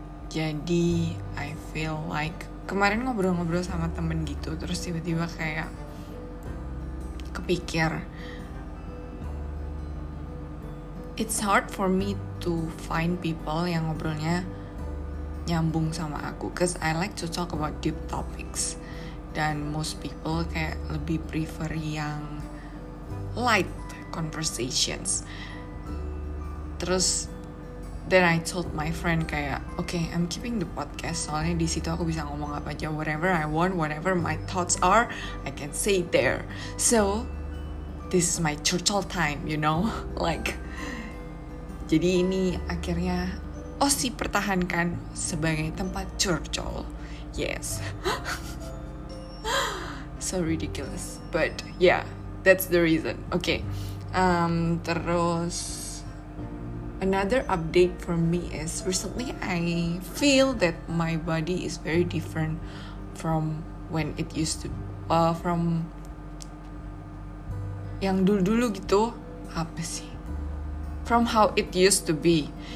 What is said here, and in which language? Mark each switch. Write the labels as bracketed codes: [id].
[en] Jadi, I feel like [id] kemarin ngobrol-ngobrol sama temen gitu, terus tiba-tiba kayak kepikir, [en] it's hard for me to find people [id] yang ngobrolnya nyambung sama aku, [en] cause I like to talk about deep topics, dan most people kayak lebih prefer yang light conversations. Terus, then I told my friend kayak, okay, I'm keeping the podcast, [id] soalnya di situ aku bisa ngomong apa aja, [en] whatever I want, whatever my thoughts are, I can say it there. So, this is my turtle time, you know? [id] Like, jadi ini akhirnya Osi pertahankan sebagai tempat turtle. [en] Yes. So ridiculous. But, yeah, that's the reason. Okay, terus, another update for me is recently I feel that my body is very different from when it used to from [id] yang dulu-dulu gitu apa sih [en] from how it used to be.